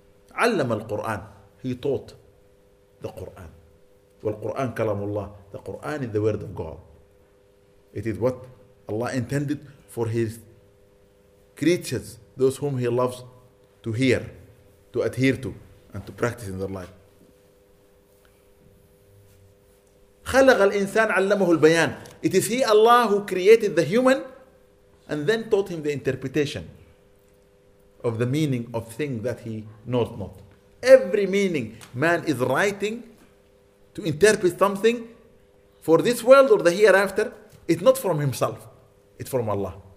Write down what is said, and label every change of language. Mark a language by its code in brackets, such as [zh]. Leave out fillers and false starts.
[ar] Allama al-Qur'an, [en] he taught the Qur'an. [ar] Wal-Qur'an kalamullah, [en] the Qur'an is the word of God. It is what Allah intended for his creatures, those whom he loves to hear, to adhere to, and to practice in their life. [ar] خلق الإنسان علمه البيان. [en] It is he, Allah, who created the human and then taught him the interpretation of the meaning of things that he knows not. Every meaning man is writing to interpret something for this world or the hereafter, it's not from himself, it's from Allah.